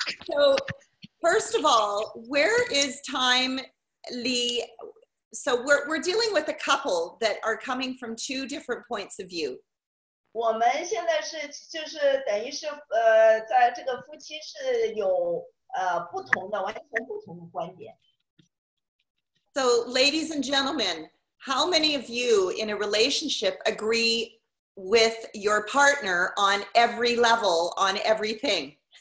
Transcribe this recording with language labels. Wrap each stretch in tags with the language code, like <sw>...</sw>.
<en>So, first of all, where is Time Lee? So we're dealing with a couple that are coming from two different points of view.</en> <zh>我们现在是就是等于是在这个夫妻是有不同的完全不同的观点。So,</zh> <en>ladies and gentlemen, how many of you in a relationship agree with your partner on every level, on everything?</en>